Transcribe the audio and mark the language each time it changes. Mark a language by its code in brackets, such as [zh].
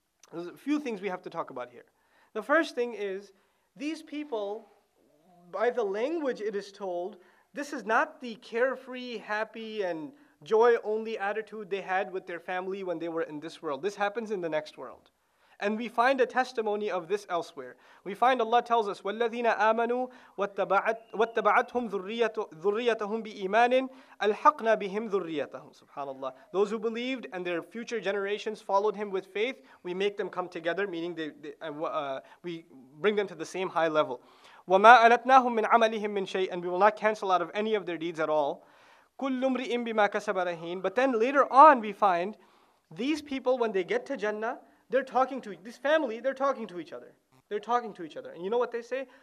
[en] There's a few things we have to talk about here. The first thing is, these people, by the language it is told, this is not the carefree, happy, and joy-only attitude they had with their family when they were in this world. This happens in the next world. And we find a testimony of this elsewhere. We find Allah tells us, [ar] وَالَّذِينَ آمَنُوا وَاتَّبَعَتْهُمْ ذُرِّيَّتَهُمْ بِإِيمَانٍ أَلْحَقْنَا بِهِمْ ذُرِّيَّتَهُمْ SubhanAllah. [en] Those who believed and their future generations followed him with faith, we make them come together, meaning we bring them to the same high level. [ar] وَمَا أَلَتْنَاهُمْ مِنْ عَمَلِهِمْ مِنْ شَيْءٍ [en] And we will not cancel out of any of their deeds at all. [ar] كُلُّ امْرِئٍ بِمَا كَسَبَ رَهِينٌ [en] But then later on we find these people when they get to Jannah, they're talking to this family, they're talking to each other. They're talking to each other. And you know what they say?